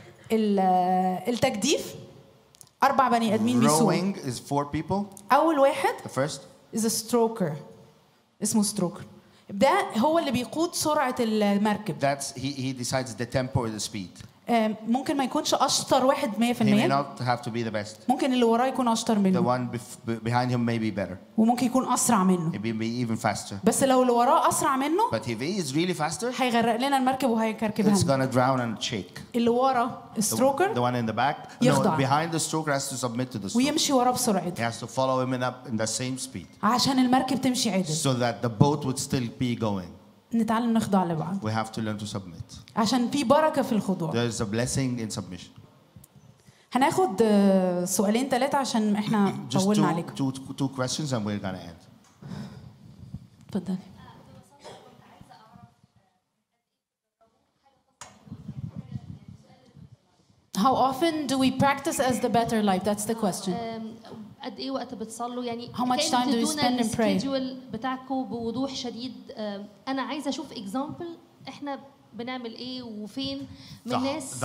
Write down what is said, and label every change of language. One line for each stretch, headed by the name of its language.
Arabic: التجديف أربع بني آدمين بيسوق.
English: Rowing is four people.
Arabic: أول واحد.
English: The first. Is a stroker. اسمه stroker.
Arabic: ده هو اللي بيقود سرعة المركب.
English: That's he decides the tempo or the speed.
Arabic: ممكن ما يكونش أشطر واحد 100%.
English: He may not have to be the best.
Arabic: ممكن اللي وراه يكون أشطر منه.
English: The one behind him may be better.
Arabic: وممكن يكون أسرع منه.
English: He may be even faster.
Arabic: بس لو اللي وراه أسرع منه.
English: But if he is really faster.
Arabic: هيغرق لنا المركب وهيكركبها.
English: It's gonna drown and shake.
Arabic: اللي وراه stroker.
English: The one in the back.
Arabic: يخضع.
English: No, behind the stroker has to submit to the
Arabic: stroker. ويمشي وراه بسرعة.
English: He has to follow him up in the same speed.
Arabic: عشان المركب تمشي عدل.
English: So that the boat would still be going.
Arabic: نتعلم نخضع لبعض.
English: We have to learn to submit.
Arabic: عشان في بركة في الخضوع.
English: There is a blessing in submission.
Arabic: هناخد سؤالين ثلاثة عشان إحنا طولنا عليكم.
English: Just two questions and we're gonna end.
Arabic: تفضل.
English: How often do we practice as the better life? That's the question.
Arabic: قد إيه وقت بتصلوا يعني؟
English: How much time do you spend and pray?
Arabic: بتاعكو بوضوح شديد. أنا عايز أشوف example. إحنا بنعمل إيه وفين من الناس؟